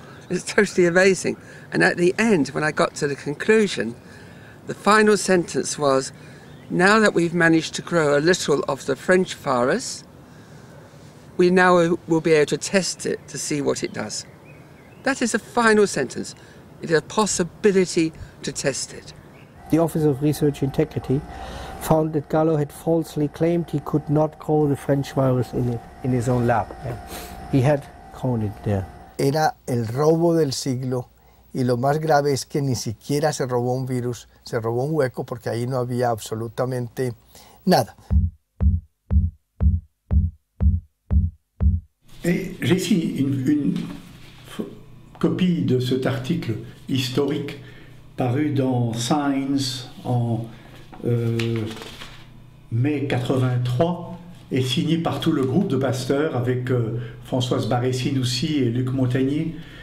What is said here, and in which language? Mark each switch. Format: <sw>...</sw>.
<en>It's totally amazing. And at the end, when I got to the conclusion, the final sentence was, now that we've managed to grow a little of the French virus, we now will be able to test it to see what it does. That is the final sentence. It is a possibility to test it. The Office of Research Integrity found that Gallo had falsely claimed he could not grow the French virus in his own lab. He had grown it there.</en> <es>Era el robo del siglo y lo más grave es que ni siquiera se robó un virus, se robó un hueco porque ahí no había absolutamente nada.</es> <fr>J'ai ici une copie de cet article historique paru dans Science en mai 83. Est signé par tout le groupe de Pasteur avec Françoise Barécine aussi et Luc Montagné.</fr>